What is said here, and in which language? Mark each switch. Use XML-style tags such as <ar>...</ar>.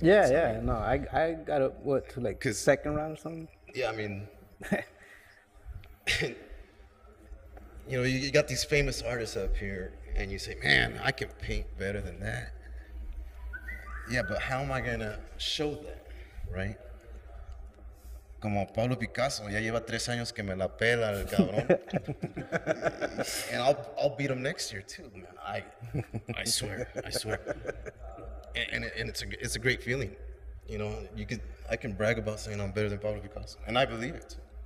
<en>Yeah, yeah. No, I got up what to like second round or something. Yeah, I mean, you know, you got these famous artists up here, and you say, man, I can paint better than that. Yeah, but how am I gonna show that, right?</en> <es>Como Pablo Picasso, ya lleva 3 años que me la pela el cabrón.</es> <en>And I'll beat him next year too, man. I swear. And it's a great feeling. You know, I can brag about saying I'm better than Pablo Picasso. And I believe it.</en>